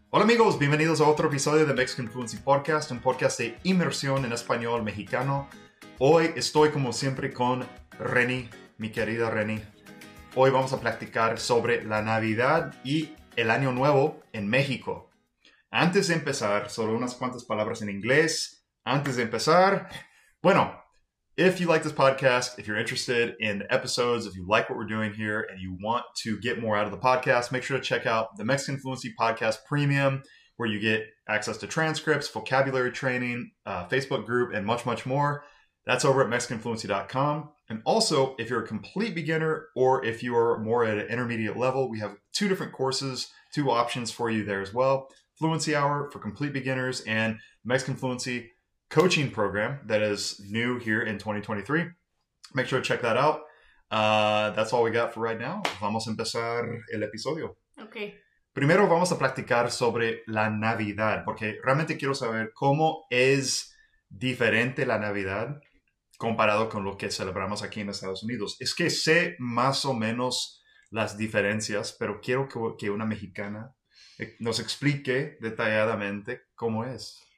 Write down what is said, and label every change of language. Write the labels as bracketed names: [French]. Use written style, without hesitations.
[Spanish] Hola amigos, bienvenidos a otro episodio de Mexican Fluency Podcast, un podcast de inmersión en español mexicano. Hoy estoy como siempre con Reni, mi querida Reni. Hoy vamos a platicar sobre la Navidad y el Año Nuevo en México. Antes de empezar, solo unas cuantas palabras en inglés. Antes de empezar, bueno, [English] if you like this podcast, if you're interested in episodes, if you like what we're doing here and you want to get more out of the podcast, make sure to check out the Mexican Fluency Podcast Premium, where you get access to transcripts, vocabulary training, Facebook group, and much, much more. That's over at mexicanfluency.com. And also, if you're a complete beginner or if you are more at an intermediate level, we have two different courses, two options for you there as well. Fluency Hour for complete beginners and Mexican Fluency Coaching Program that is new here in 2023. Make sure to check that out. That's all we got for right now. [Spanish] Vamos a empezar el episodio. [English] Okay. [Spanish] Primero vamos a platicar sobre la Navidad, porque realmente quiero saber cómo es diferente la Navidad comparado con lo que celebramos aquí en Estados Unidos. Es que sé más o menos las diferencias, pero quiero que una mexicana nos explique detalladamente cómo es.